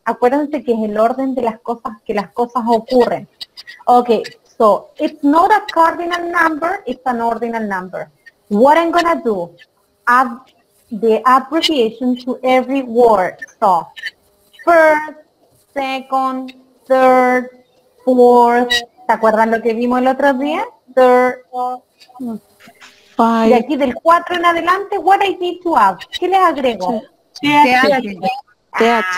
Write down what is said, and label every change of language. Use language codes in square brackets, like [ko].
[es] Acuérdense que es el orden de las cosas, que las cosas ocurren. [en] Okay, so it's not a cardinal number, it's an ordinal number. What I'm gonna do, add the abbreviation to every word. So, first, second, third, fourth, [es] ¿se acuerdan lo que vimos el otro día? [en] Third, five. [es] Y aquí del 4 en adelante, [en] what I need to add, [es] ¿qué les agrego? Th.